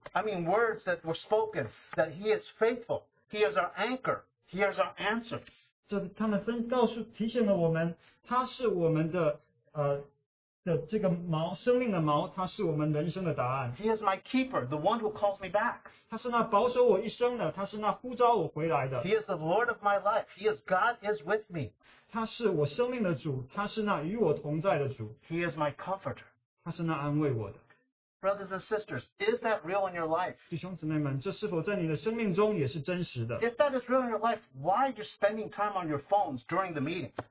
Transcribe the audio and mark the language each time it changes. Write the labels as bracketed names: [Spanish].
[English] I mean, words that were spoken, that He is faithful. He is our anchor. He is our answer. [Chinese] 这他们分告诉提醒了我们，他是我们的。的这个毛，生命的毛，他是我们人生的答案。 [English] He is my keeper, the one who calls me back. [Chinese] 他是那保守我一生的，他是那呼召我回来的。 [English] He is the Lord of my life. He is God is with me. [Chinese] 他是我生命的主，他是那与我同在的主。 [English] He is my comforter. [Chinese] 他是那安慰我的。 [English] Brothers and sisters, is that real in your life? [Chinese] 弟兄姊妹们，这是否在你的生命中也是真实的？ [English] If that is real in your life, why are you spending time on your phones during the meeting?